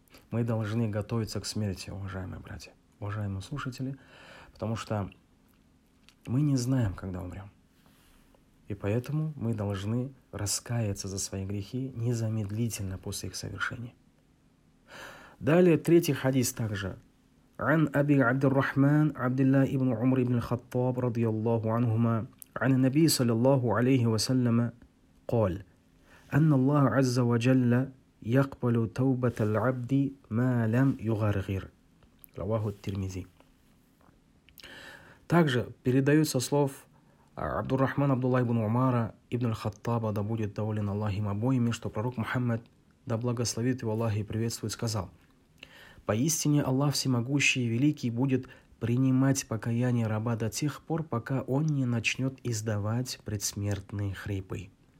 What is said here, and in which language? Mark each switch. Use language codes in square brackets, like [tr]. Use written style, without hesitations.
[ru] Мы должны готовиться к смерти, уважаемые братья, уважаемые слушатели, потому что мы не знаем, когда умрем. И поэтому мы должны раскаяться за свои грехи незамедлительно после их совершения. Далее, третий хадис также. [ar] عن أبي عبد الرحمن عبد الله ابن عمر ابن الخطاب رضي الله عنهما عن النبي صلى الله عليه وسلم قال أن الله عز وجل يقبل توبة العبد ما لم يغرغر رواه الترمذي. [ru] Также передаются слов عبد الرحمن عبد الله ابن عمر ابن الخطاب да будет доволен Аллахом обоими, что пророк Мухаммад, да благословит его Аллах и приветствует, сказал: «Поистине Аллах Всемогущий и Великий будет принимать покаяние раба до тех пор, пока он не начнет издавать предсмертные хрипы».